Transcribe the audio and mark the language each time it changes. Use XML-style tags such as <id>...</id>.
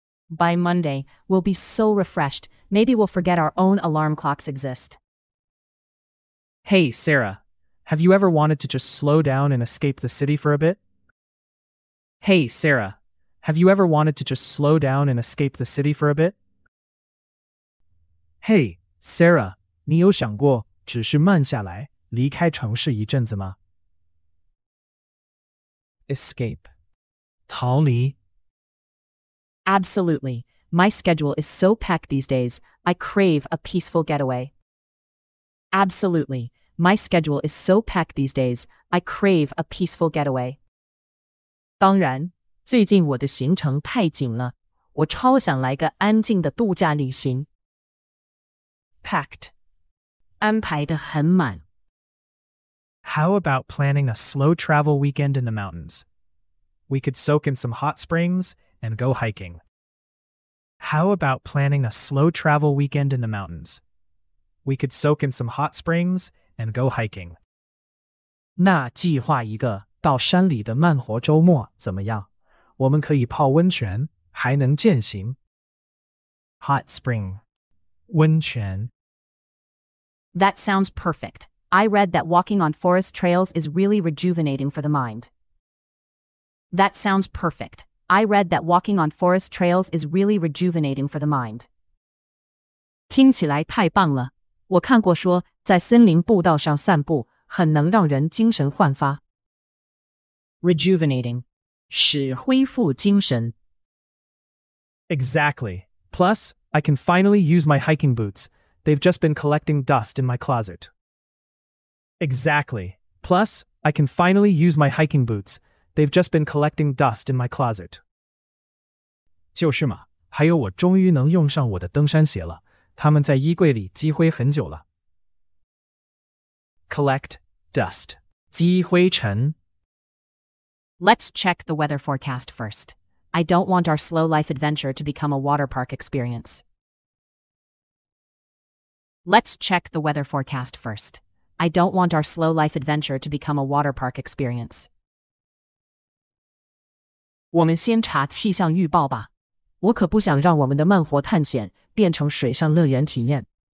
<en>By Monday, we'll be so refreshed, maybe we'll forget our own alarm clocks exist. Hey, Sarah. Have you ever wanted to just slow down and escape the city for a bit? Hey, Sarah. Have you ever wanted to just slow down and escape the city for a bit? Hey, Sarah.</en> <zh>你有想过只是慢下来离开城市一阵子吗</zh> <en>Escape. 逃离 Absolutely. My schedule is so packed these days, I crave a peaceful getaway. Absolutely. My schedule is so packed these days, I crave a peaceful getaway.</en> <zh>当然，最近我的行程太紧了，我超想来个安静的度假旅行。</zh> <en>Packed.</en> <zh>安排得很满。</zh> <en>How about planning a slow travel weekend in the mountains? We could soak in some hot springs,and go hiking. How about planning a slow travel weekend in the mountains? We could soak in some hot springs and go hiking.</en> <zh>那计划一个到山里的慢活周末怎么样？我们可以泡温泉，还能健行。</zh> <en>Hot spring. 温泉。 That sounds perfect. I read that walking on forest trails is really rejuvenating for the mind. That sounds perfect. I read that walking on forest trails is really rejuvenating for the mind.</en> <zh>听起来太棒了。我看过说在森林步道上散步很能让人精神焕发。</zh> <en>Rejuvenating.</en> <zh>使恢复精神。</zh> <en>Exactly. Plus, I can finally use my hiking boots. They've just been collecting dust in my closet. Exactly. Plus, I can finally use my hiking boots. They've just been collecting dust in my closet.</en> <zh>就是嘛，还有我终于能用上我的登山鞋了，他们在衣柜里积灰很久了。</zh> <en>Collect dust.</en> <zh>积灰尘。</zh> <en>Let's check the weather forecast first. I don't want our slow life adventure to become a water park experience. Let's check the weather forecast first. I don't want our slow life adventure to become a water park experience.</en> <zh>我们先查气象预报吧。我可不想让我们的慢活探险变成水上乐园体验。</zh>